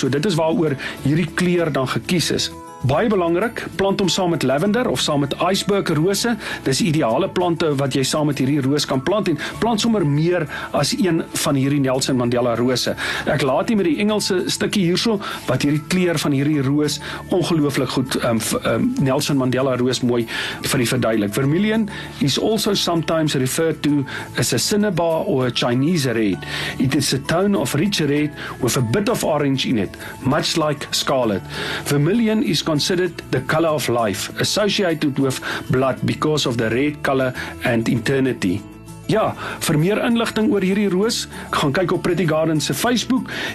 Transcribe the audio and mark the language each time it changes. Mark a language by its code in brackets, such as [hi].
[af] So dit is waaroor hierdie kleur dan gekies is. Baie belangrik, plant hom saam met lavender of saam met iceberg rose. Dis ideale plante wat jy saam met hierdie roos kan plant en plant sommer meer as een van hierdie Nelson Mandela rose. Ek laat hier met die Engelse stukkie hierso wat hierdie kleur van hierdie roos ongelooflik goed Nelson Mandela roos mooi vir die verduidelik. [en] Vermilion is also sometimes referred to as a cinnabar or a Chinese red. It is a tone of rich red with a bit of orange in it, much like scarlet. Vermilion is considered the color of life, associated with blood because of the red color and eternity. [af] Ja, vir meer inligting oor hierdie roos, gaan kyk op Pretty Garden se Facebook.